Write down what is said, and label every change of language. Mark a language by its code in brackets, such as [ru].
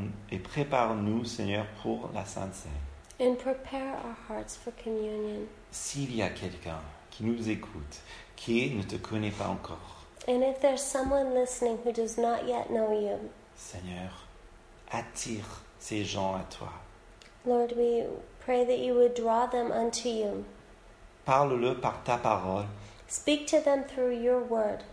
[fr] Et prépare-nous, Seigneur, pour la Sainte Cène. [en] And prepare our hearts for communion. [fr] S'il y a quelqu'un qui nous écoute, qui ne te connaît pas encore. [en] And if there's someone listening who does not yet know you. [fr] Seigneur, attire ces gens à toi. [en] Lord, we pray that you would draw them unto you. [fr] Parle-le par ta parole. [en] Speak to them through your word.